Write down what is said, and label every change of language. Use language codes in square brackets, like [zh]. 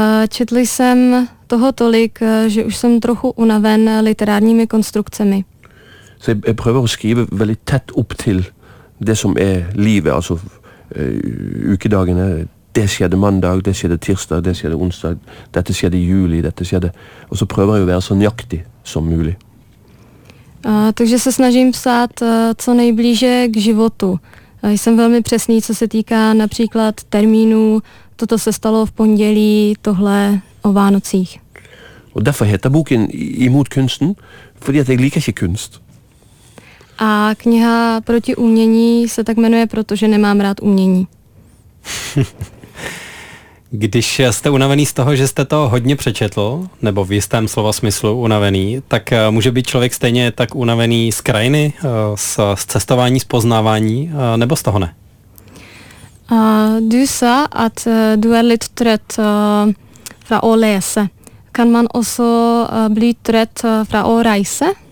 [cs] Četl jsem toho tolik, že už jsem trochu unaven literárními konstrukcemi. [no] Så jeg prøver å skrive veldig tett opp til det som er livet, altså ukedagene. Det skjedde mandag, det skjedde tirsdag, det skjedde onsdag, dette skjedde i juli, dette skjedde. Og så prøver jeg å være så nøyaktig som mulig. [cs] Takže se snažím psát co nejblíže k životu. Jsem velmi přesný, co se týká například termínů, toto se stalo v pondělí, tohle o Vánocích. [no] Og derfor heter boken Imot kunsten, fordi at jeg liker ikke kunst. [cs] A kniha Proti umění se tak jmenuje, protože nemám rád umění. Když jste unavený z toho, že jste to hodně přečetl, nebo v jistém slova smyslu unavený, tak může být člověk stejně tak unavený z krajiny, z cestování, z poznávání, nebo z toho ne? [no] Du sa at du er litt trøtt fra å lese. Kan man også bli trøtt fra å reise?